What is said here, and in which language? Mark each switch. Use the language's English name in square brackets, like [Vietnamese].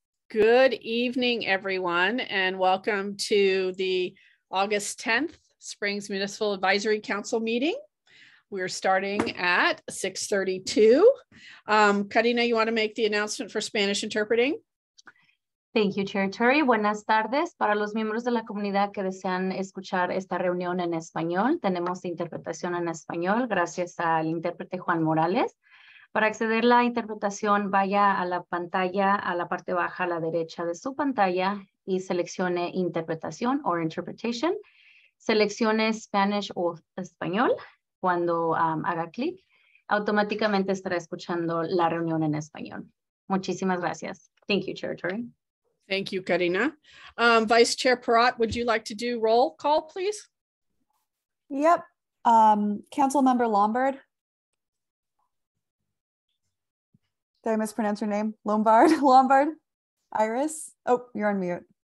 [English] Good evening, everyone, and welcome to the August 10th Springs Municipal Advisory Council meeting. We're starting at 6:32. Karina, you want to make the announcement for Spanish interpreting? Thank you, Chair Iturri. [Spanish] Buenas tardes. Para los miembros de la comunidad que desean escuchar esta reunión en español, tenemos interpretación en español gracias al intérprete Juan Morales. Para acceder a la interpretación, vaya a la pantalla, a la parte baja a la derecha de su pantalla y seleccione interpretación or interpretation. Seleccione Spanish o español. Cuando haga clic, automáticamente estará escuchando la reunión en español. Muchísimas gracias. [English] Thank you, Chair Iturri. Thank you, Karina. Vice Chair Perot, would you like to do roll call, please? Yep. Council Member Lombard. Did I mispronounce your name? Lombard? Lombard? Iris? Oh, you're on mute.